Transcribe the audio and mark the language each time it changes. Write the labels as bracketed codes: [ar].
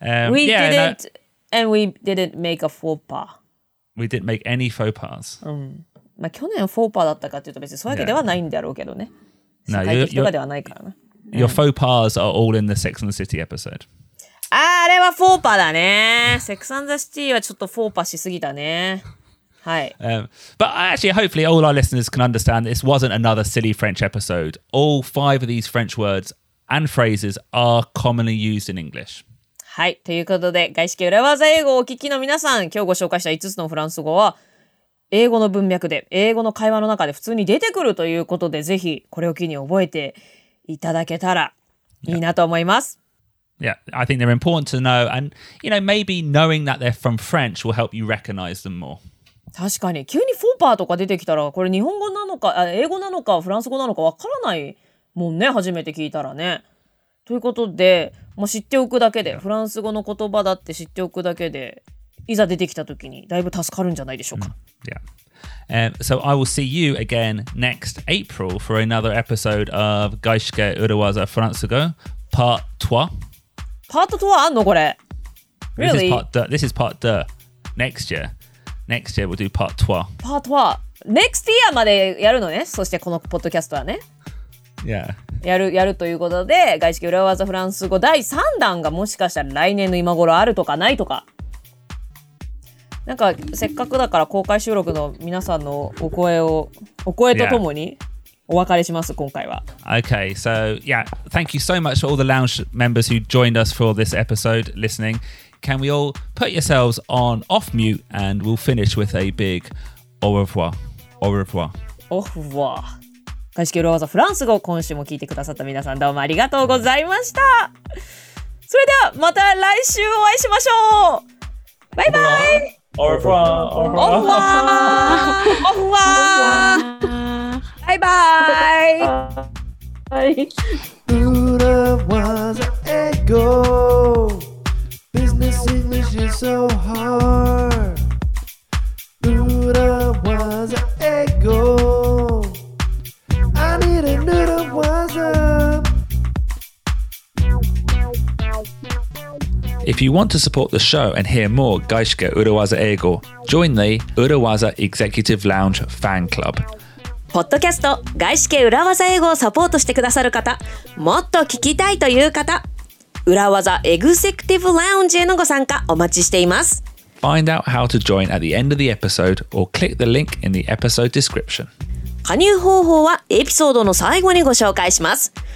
[en] We did it, and we didn't make a faux pas. We didn't make any faux pas. [ja] まあ、去年フォーパーだったかというと別にそういうわけではないんだろうけどね。世界的とかではないからな。 [en] Your faux pas are all in the Sex and the City episode. [ja] あれはフォーパーだね。 Sex and the City はちょっとフォーパーしすぎたね。はい。 [en] But actually, hopefully all our listeners can understand this wasn't another silly French episode. All five of these French words and phrases are commonly used in English. [ja] はい。ということで、外資系裏技英語をお聞きの皆さん、今日ご紹介した5つのフランス語は、英語の文脈で英語の会話の中で普通に出てくるということで、ぜひこれを機に覚えていただけたらいいなと思います。 [en] Yeah, I think they're important to know, and you know, maybe knowing that they're from French will help you recognize them more. [ja] 確かに、急にフォーパーとか出てきたら、これ日本語なのか、英語なのかフランス語なのかわからないもんね、初めて聞いたらね。ということで、もう知っておくだけで、フランス語の言葉だって知っておくだけで、いざ出てきたときにだいぶ助かるんじゃないでしょうか。 [en] Yeah. So I will see you again next April for another episode of 外資系裏技フランス語 Part 3. [ja] Part 3あんのこれ Really? [en] This is part 2. Next year we'll do part 3. [ja] Part 3. [en] Next year [ja] までやるのね。そしてこのポッドキャストはね。 [en] Yeah. [ja] やるということで外資系裏技フランス語第3弾がもしかしたら来年の今頃あるとかないとか。なんかせっかくだから公開収録の皆さんのお声とともにお別れします、 [en] yeah. [ja] 今回は。 [en] Okay, so yeah, thank you so much for all the lounge members who joined us for this episode listening. Can we all put yourselves on off mute and we'll finish with a big au revoir. [fr] Au revoir. Au revoir. [ja] 外資系裏技フランス語今週も聞いてくださった皆さんどうもありがとうございました。それではまた来週お会いしましょう。バイバイ。 [fr] Au revoir! Au revoir! Au revoir! Au revoir! Bye [en] bye! Bye! Ura was an ego. Business English is so hard. Ura was an ego. I need a noodle was a... If you want to support the show and hear more 外資系裏技英語, join the 裏技 Executive Lounge Fan Club. [ja] ポッドキャスト外資系裏技英語をサポートしてくださる方、もっと聞きたいという方、裏技 Executive Lounge へのご参加お待ちしています。 [en] Find out how to join at the end of the episode or click the link in the episode description. [ja] 加入方法はエピソードの最後にご紹介します。